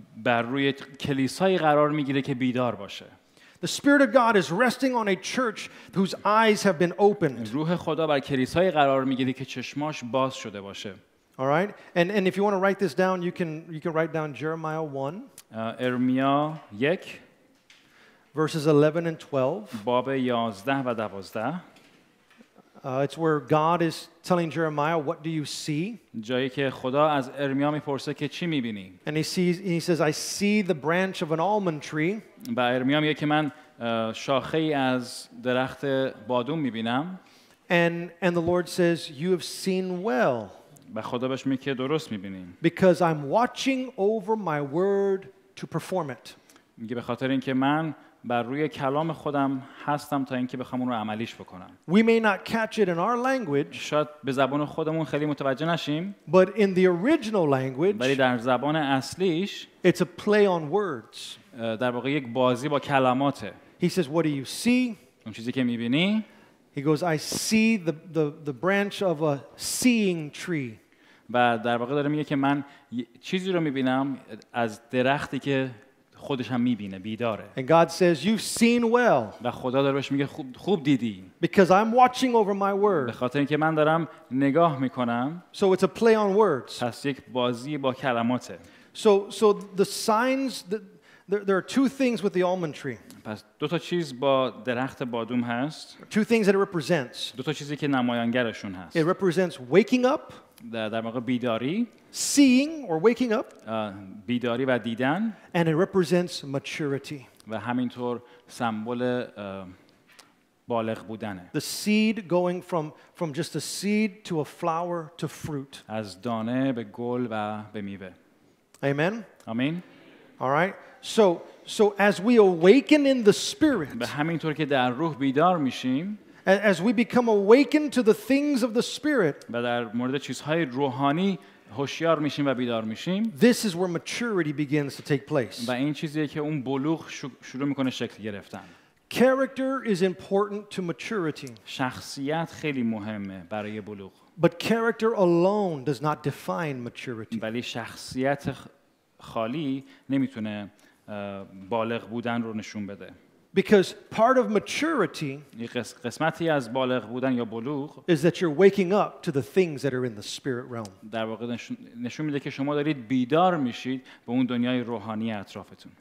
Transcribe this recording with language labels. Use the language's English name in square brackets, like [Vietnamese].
[Persian] بر روی کلیسایی قرار میگیره که بیدار باشه. [English] The Spirit of God is resting on a church whose eyes have been opened. [Persian] روح خدا بر کلیسایی قرار میگیره که چشماش باز شده باشه. [English] All right, and if you want to write this down, you can write down Jeremiah 1. [Persian] ارمیا 1. [English] Verses 11 and 12. [Persian] باب 11 و 12. [English] It's where God is telling Jeremiah, "What do you see?" [Persian] جایی که خدا از ارمیا میپرسه که چی میبینی. [English] And he says, "I see the branch of an almond tree." [Persian] با ارمیا میگه که من شاخه ای از درخت بادوم میبینم. [English] And the Lord says, "You have seen well." [Persian] با خدا بهش میگه درست میبینی. [English] Because I'm watching over my word to perform it. [Persian] میگه به خاطر اینکه من بر روی کلام خودم هستم تا اینکه بخوام اون رو عملیش بکنم. [English] We may not catch it in our language. [Persian] شاید به زبان خودمون خیلی متوجه نشیم. [English] But in the original language. [Persian] ولی در زبان اصلیش. [English] It's a play on words. [Persian] در واقع یک بازی با کلماته. [English] He says, "What do you see?" [Persian] اون چیزی که می‌بینی. [English] He goes, "I see the branch of a seeing tree." [Persian] و در واقع داره میگه که من چیزی رو می‌بینم از درختی که خودش هم میبینه بیداره. [English] And God says you've seen well. [Persian] و خدا داره بهش میگه خوب دیدی. [English] Because I'm watching over my word. [Persian] به خاطر اینکه من دارم نگاه میکنم. [English] So it's a play on words. [Persian] پس یک بازی با کلماته. [English] So the signs that there are two things with the almond tree. [Persian] پس دو تا چیز با درخت بادوم هست. [English] Two things that it represents. [Persian] دو تا چیزی که نمایانگرشون هست. [English] It represents waking up. [Persian] در واقع بیداری. [English] Seeing or waking up. [Persian] بیداری و دیدن. [English] And it represents maturity. [Persian] و همینطور سمبل بالغ بودنه. [English] The seed going from just a seed to a flower to fruit. [Persian] از دانه به گل و به میوه. [English] Amen. Amen. All right. So as we awaken in the spirit. [Persian] به همینطور که در روح بیدار میشیم. [English] As we become awakened to the things of the spirit. [Persian] و در مورد چیزهای روحانی هوشیار میشیم و بیدار میشیم. [English] This is where maturity begins to take place. [Persian] و این چیزیه که اون بلوغ شروع میکنه شکل گرفتن. [English] Character is important to maturity. [Persian] شخصیت خیلی مهمه برای بلوغ. [English] But character alone does not define maturity. [Persian] ولی شخصیت خالی نمیتونه بالغ بودن رو نشون بده. [English] Because part of maturity [Persian] قسمتی از بالغ بودن یا بلوغ [English] is that you're waking up to the things that are in the spirit realm. [Persian] در واقع نشون میده که شما دارید بیدار میشید به اون دنیای روحانی اطرافتون.